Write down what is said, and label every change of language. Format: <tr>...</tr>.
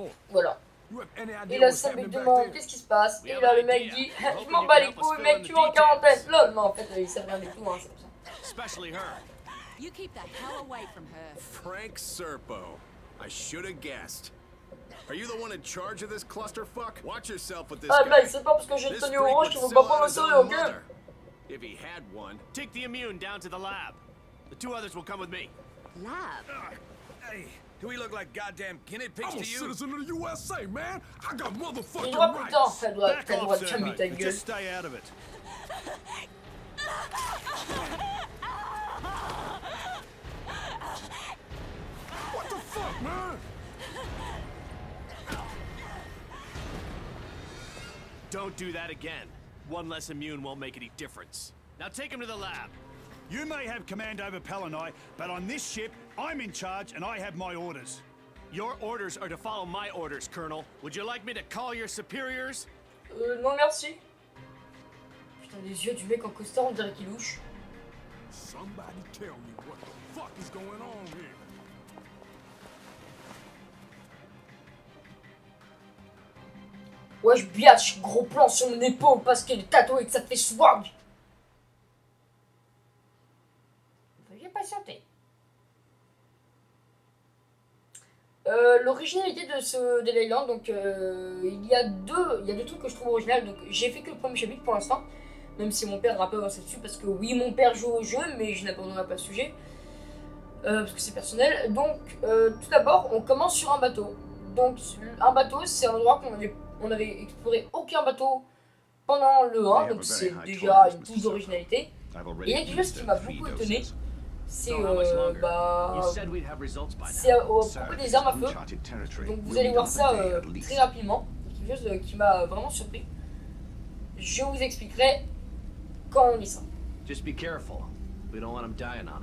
<fr>Voilà. Et là Sam lui demande qu'est-ce qui se passe. Et là le mec dit je m'en bats les couilles mec, tu es en quarantaine. Non en fait il sait rien du tout hein, c'est pour ça.</fr> <en>Frank Serpo. I should have guessed. Are you the one in charge of this clusterfuck? Watch yourself with this guy.</en> <fr>Ah mais c'est pas parce que j'ai tenu orange qu'il va pas me sauver, ok?</fr> <en>If he had one, take the immune down to the lab. The two others will come with me. Lab? Hey, do we look like goddamn guinea pigs to you? I'm a citizen of the USA, man! I got motherfucking rights! Back off, sir. Just stay out of it. Don't do that again. One less immune won't make any difference. Now take him to the lab. You may have command over Pelennoi, but on this ship, I'm in charge and I have my orders. Your orders are to follow my orders, Colonel. Would you like me to call your superiors?</en> <fr>Non, merci. Putain, les yeux du mec en costard, on dirait qu'il louche.</fr> <en>Somebody tell me what the fuck is going on here.</en> <fr>Ouais, je biache, gros plan sur mon épaule parce qu'il est tatoué et que ça fait swag. Veuillez patienter. L'originalité de ce Dead Island, donc il y a deux trucs que je trouve original. Donc j'ai fait que le premier chapitre pour l'instant, même si mon père a un peu avancé dessus parce que oui, mon père joue au jeu, mais je n'abandonnerai pas le sujet parce que c'est personnel. Donc tout d'abord, on commence sur un bateau. Donc un bateau, c'est un endroit qu'on avait. On n'avait exploré aucun bateau pendant le 1, donc c'est déjà une toute originalité. Et il y a quelque chose qui m'a beaucoup étonné, c'est au propos des armes à feu. Donc vous allez voir ça très rapidement, quelque chose qui m'a vraiment surpris. Je vous expliquerai quand on y sera.</fr> <en>Just be careful, we don't want them dying on us.</en>